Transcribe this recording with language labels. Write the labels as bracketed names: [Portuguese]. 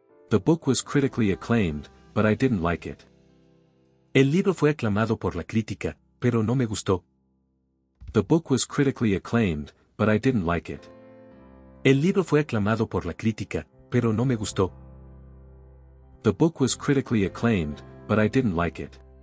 [English] The book was critically acclaimed, but I didn't like it. [Spanish] El libro fue aclamado por la crítica, pero no me gustó. [English] The book was critically acclaimed, but I didn't like it. [Spanish] El libro fue aclamado por la crítica, pero no me gustó. [English] The book was critically acclaimed, but I didn't like it.